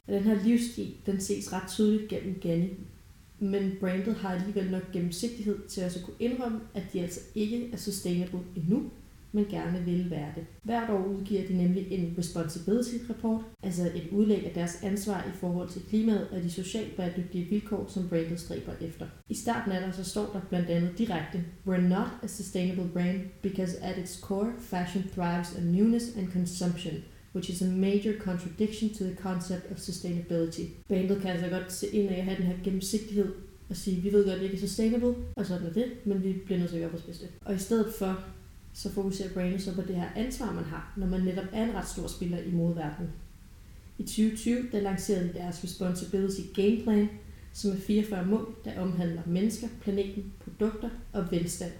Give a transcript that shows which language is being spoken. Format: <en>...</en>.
<da>Og den her livsstil, den ses ret tydeligt gennem Ganni. Men brandet har alligevel nok gennemsigtighed til at så kunne indrømme, at de altså ikke er sustainable endnu, men gerne vil være det. Hvert år udgiver de nemlig en responsibility-rapport, altså et udlæg af deres ansvar i forhold til klimaet og de socialt bæredygtige vilkår, som brandet stræber efter. I starten af der så står der blandt andet direkte,</da> <en>"We're not a sustainable brand, because at its core, fashion thrives on newness and consumption, which is a major contradiction to the concept of sustainability."</en> <da>Brandet kan altså godt se ind af at have den her gennemsigtighed, og sige, vi ved godt, at det ikke er sustainable, og sådan er det, men vi bliver nødt til at gøre vores bedste. Og i stedet for, så fokuserer brandet så på det her ansvar, man har, når man netop er en ret stor spiller i modeverdenen. I 2020, der lancerede de deres Responsibility Game Plan, som er 44 mål, der omhandler mennesker, planeten, produkter og velstand.</da>